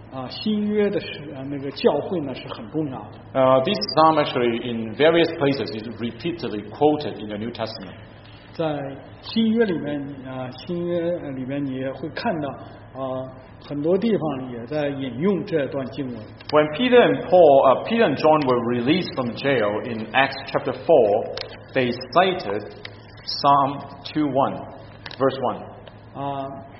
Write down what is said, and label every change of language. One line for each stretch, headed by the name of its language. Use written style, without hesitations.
Chinese: 新约的教会呢是很重要的。
English: This psalm actually in various places is repeatedly quoted in the New Testament.
Chinese: 在新约里面你也会看到很多地方也在引用这段经文。
English: When Peter and John were released from jail in Acts chapter 4, they cited Psalm 2:1, verse 1.